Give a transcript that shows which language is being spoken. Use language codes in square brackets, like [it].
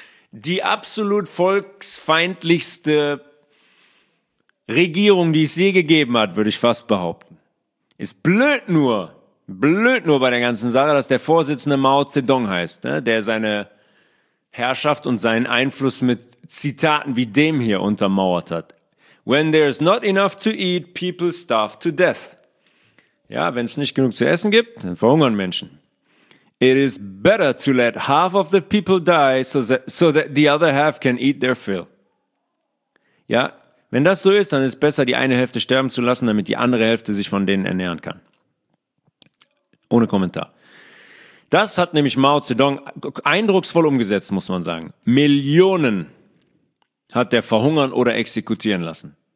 [de] Die absolut volksfeindlichste Regierung, die es je gegeben hat, würde ich fast behaupten. Ist blöd nur bei der ganzen Sache, dass der Vorsitzende Mao Zedong heißt, ne? Der seine Herrschaft und seinen Einfluss mit Zitaten wie dem hier untermauert hat. [en] When there is not enough to eat, people starve to death. [de] Ja, wenn es nicht genug zu essen gibt, dann verhungern Menschen. [en] It is better to let half of the people die, so that the other half can eat their fill. [de] Ja, wenn das so ist, dann ist besser, die eine Hälfte sterben zu lassen, damit die andere Hälfte sich von denen ernähren kann. Ohne Kommentar. Das hat nämlich Mao Zedong eindrucksvoll umgesetzt, muss man sagen. Millionen hat der verhungern oder exekutieren lassen.